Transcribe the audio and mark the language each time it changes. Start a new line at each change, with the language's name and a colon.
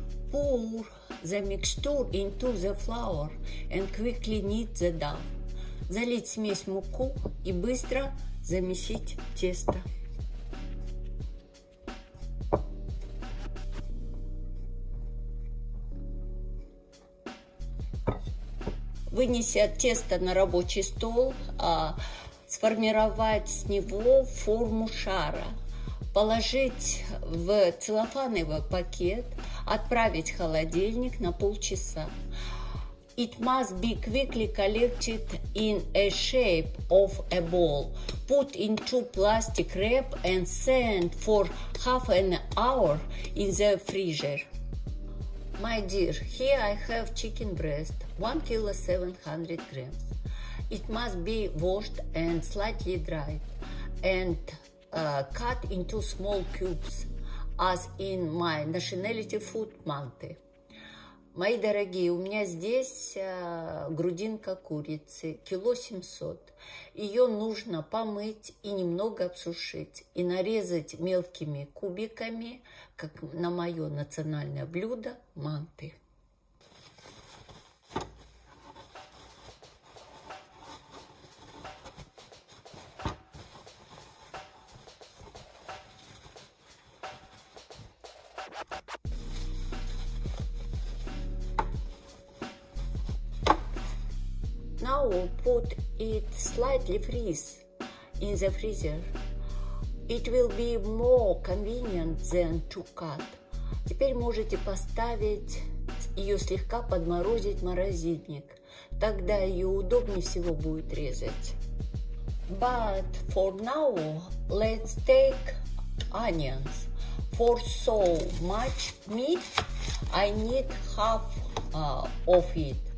English: Pour the mixture into the flour and quickly knead the dough.
Russian: Залить смесь в муку и быстро замесить тесто. Вынеси тесто на рабочий стол, сформировать с него форму шара. Положить в целлофановый пакет, отправить в холодильник на 1/2 часа.
English: it must be quickly collected in a shape of a ball, put into plastic wrap and sent for half an hour in the freezer. My dear, here I have chicken breast, 1 kilo 700 grams. It must be washed and slightly dried and cut into small cubes, as in my nationality food манты.
Russian: Мои дорогие, у меня здесь грудинка курицы, 1 кило 700. Ее нужно помыть и немного обсушить, и нарезать мелкими кубиками, как на мое национальное блюдо манты.
English: Now put it slightly freeze in the freezer. It will be more convenient than to cut.
Russian: Теперь можете поставить ее слегка подморозить в морозильник. Тогда ее удобнее всего будет резать.
English: But for now, let's take onions. For so much meat, I need half of it.